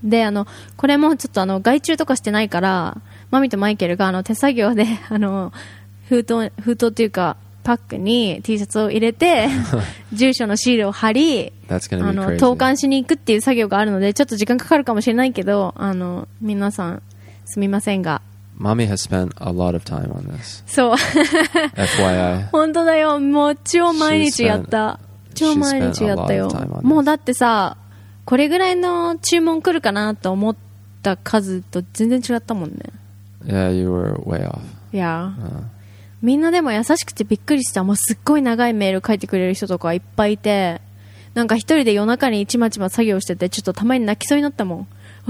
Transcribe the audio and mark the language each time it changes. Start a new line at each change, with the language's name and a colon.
Japanese: であのこれもちょっとあの外注とかしてないから、マミとマイケルがあの手作業であの封筒というかパックに T シャツを入れて住所のシールを貼り、あの投函しに行くっていう作業があるので、ちょっと時間かかるかもしれないけど、あの皆さんすみませんが、
English: マミ has spent a lot of time on this.
Japanese: そう
English: FYI
Japanese: 本当だよ、もう超毎日やった、超毎日やったよ。もうだってさ、これぐらいの注文来るかなと思った数と全然違ったもんね。
English: Yeah, you were way off. Yeah.
Japanese: みんなでも優しくてびっくりした。もうすっごい長いメール書いてくれる人とかいっぱいいて、なんか一人で夜中にちまちま作業してて、ちょっとたまに泣きそうになったもん。